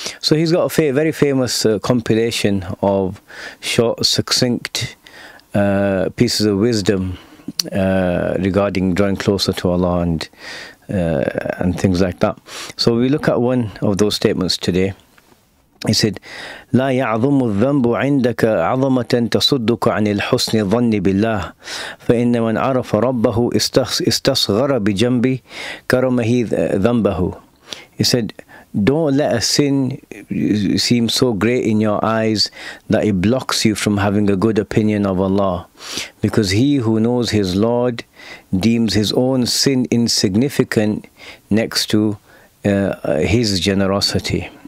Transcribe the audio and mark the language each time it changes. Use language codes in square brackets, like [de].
[en] So he's got a very famous compilation of short, succinct pieces of wisdom regarding drawing closer to Allah and things like that. So we look at one of those statements today. He said, [ar] لا يعظم الذنب عندك عظمة تصدك عن الحسن ظن بالله فإن من عرف ربه استصغر بجنبي كرمه ذنبه. [en] He said, don't let a sin seem so great in your eyes that it blocks you from having a good opinion of Allah. Because he who knows his Lord deems his own sin insignificant next to his generosity.